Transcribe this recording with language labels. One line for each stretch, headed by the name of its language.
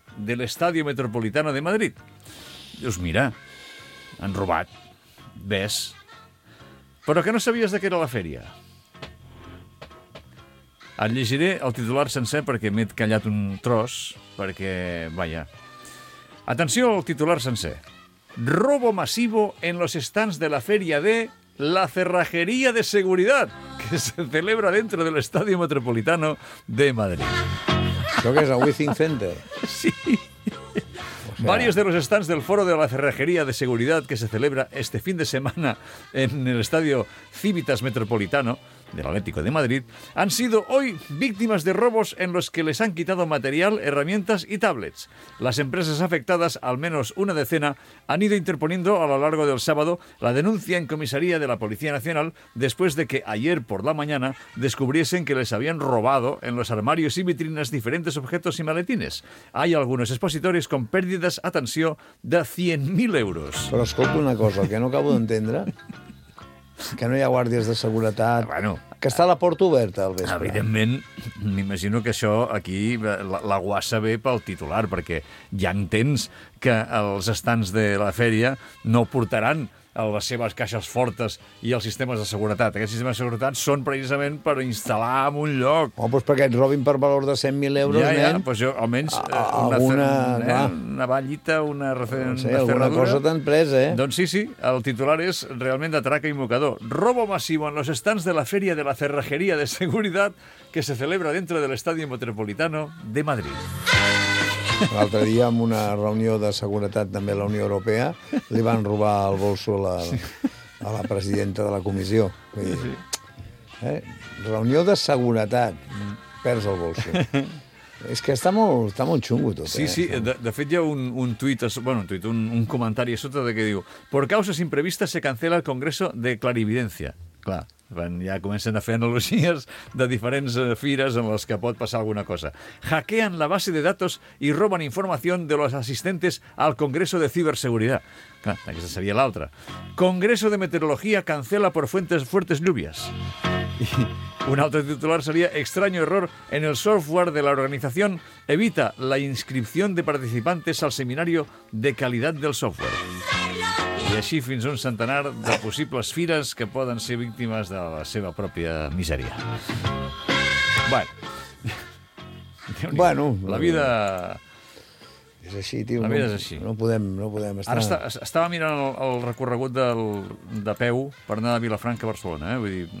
Catalan: del Estadio Metropolitano de Madrid. Dius, mira, han robat, ves. Però que no sabies de què era la fèria. Et llegiré el titular sencer perquè m'he callat un tros, perquè, vaja. Atenció al titular sencer.
Spanish: Robo massivo en los stands de la fèria de la cerrajería de seguridad que se celebra dentro del Estadio Metropolitano de Madrid.
Catalan: Això que és el Wizzing Center. Sí.
Spanish: O sea, varios de los stands del foro de la cerrajería de seguridad que se celebra este fin de semana en el estadio Civitas Metropolitano del Atlético de Madrid han sido hoy víctimas de robos en los que les han quitado material, herramientas y tablets. Las empresas afectadas, al menos una decena, han ido interponiendo a lo largo del sábado la denuncia en comisaría de la Policía Nacional después de que ayer por la mañana descubriesen que les habían robado en los armarios y vitrinas diferentes objetos y maletines. Hay algunos expositores con pérdidas,
Catalan: atenció,
Spanish: de 100.000 euros.
Catalan: Però escolta una cosa, que no acabo d'entendre, que no hi ha guàrdies de seguretat, bueno, que està la porta oberta al vespre. Evidentment, m'imagino que això aquí la guassa ve pel titular, perquè ja entens que els estants de la fèria no portaran les seves caixes fortes i els sistemes de seguretat. Aquests sistemes de seguretat són precisament per instal·lar en un lloc. Oh, doncs perquè et robin per valor de 100.000 euros, ja, nen. Ja, doncs jo, almenys,
Spanish: una vallita, una cerradura...
Catalan: No sé, alguna cosa t'han pres, eh? Doncs sí, sí, el titular és realment de traca i mocador.
Spanish: Robo massivo en los stands de la feria de la cerrajería de seguridad que se celebra dentro del Estadio Metropolitano de Madrid.
Catalan: L'altre dia, en una reunió de seguretat també a la Unió Europea, li van robar el bolso a la presidenta de la comissió. Vull dir, reunió de seguretat, perds el bolso. És que està molt xungo tot, sí, eh? Sí, sí. De fet, hi ha un comentari a sota de que diu:
Spanish: «Por causas imprevistas se cancela el Congreso de Clarividencia».
Catalan: Clar. Ja comencen a fer analogies de diferents fires en les que pot passar alguna cosa.
Spanish: Hackean la base de datos y roban información de los asistentes al Congreso de Ciberseguridad.
Catalan: Clar, aquesta seria l'altra.
Spanish: Congreso de Meteorología cancela por fuertes lluvias.
Catalan: I un altre titular seria:
Spanish: extraño error en el software de la organización evita la inscripción de participantes al seminario de calidad del software.
Catalan: I així fins a un centenar de possibles fires que poden ser víctimes de la seva pròpia misèria. Bueno. Bueno, la vida... És així, tio. No, és així. No podem estar... Ara estava mirant el recorregut de peu per anar de Vilafranca a Barcelona, eh? Vull dir,